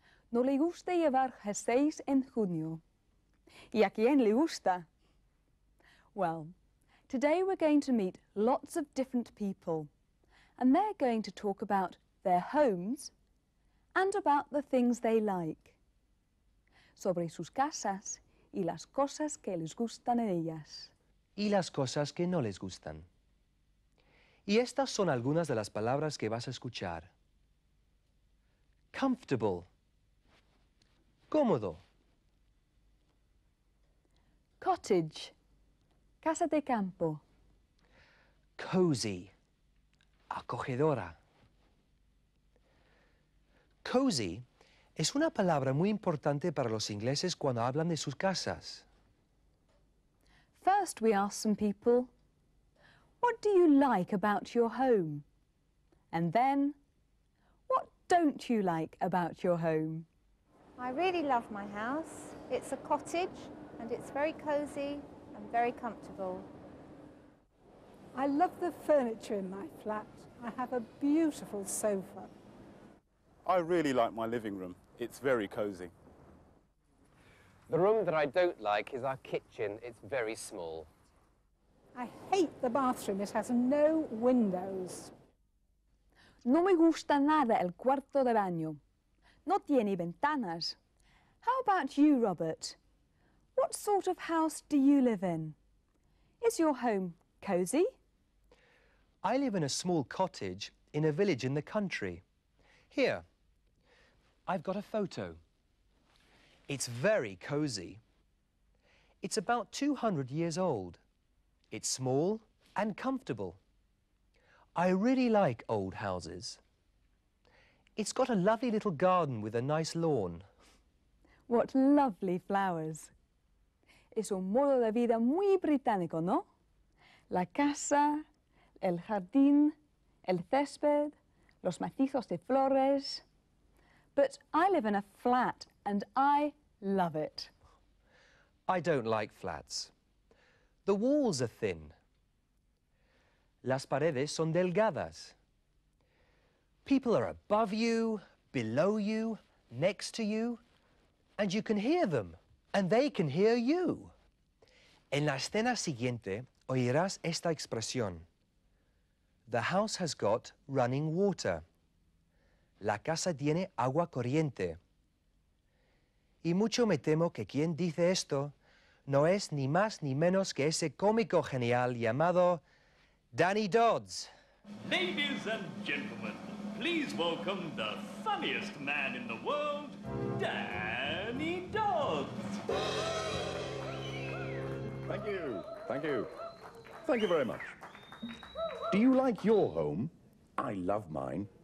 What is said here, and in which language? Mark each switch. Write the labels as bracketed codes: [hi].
[es] No le gusta llevar jerseys en junio. ¿Y a quién le gusta? [en] Well, today we're going to meet lots of different people, and they're going to talk about their homes and about the things they like. [es] Sobre sus casas y las cosas que les gustan en ellas. Y las cosas que no les gustan. Y estas son algunas de las palabras que vas a escuchar. Comfortable. Cómodo. Cottage. Casa de campo. Cozy. Acogedora. Cozy es una palabra muy importante para los ingleses cuando hablan de sus casas. [en] First we ask some people, what do you like about your home? And then, what don't you like about your home? I really love my house. It's a cottage and it's very cozy and very comfortable. I love the furniture in my flat. I have a beautiful sofa. I really like my living room. It's very cozy. The room that I don't like is our kitchen. It's very small. I hate the bathroom. It has no windows. [es] No me gusta nada el cuarto de baño. No tiene ventanas. [en] How about you, Robert? What sort of house do you live in? Is your home cosy? I live in a small cottage in a village in the country. Here, I've got a photo. It's very cosy. It's about 200 years old. It's small and comfortable. I really like old houses. It's got a lovely little garden with a nice lawn. What lovely flowers. [es] Es un modo de vida muy británico, ¿no? La casa, el jardín, el césped, los macizos de flores. [en] But I live in a flat and I love it. I don't like flats. The walls are thin. [es] Las paredes son delgadas. [en] People are above you, below you, next to you. And you can hear them, and they can hear you. [es] En la escena siguiente, oirás esta expresión. [en] The house has got running water. [es] La casa tiene agua corriente. Y mucho me temo que quien dice esto no es ni más ni menos que ese cómico genial llamado Danny Dodds. [en] Ladies and gentlemen, please welcome the funniest man in the world, Danny Dodds. Thank you. Thank you. Thank you very much. Do you like your home? I love mine.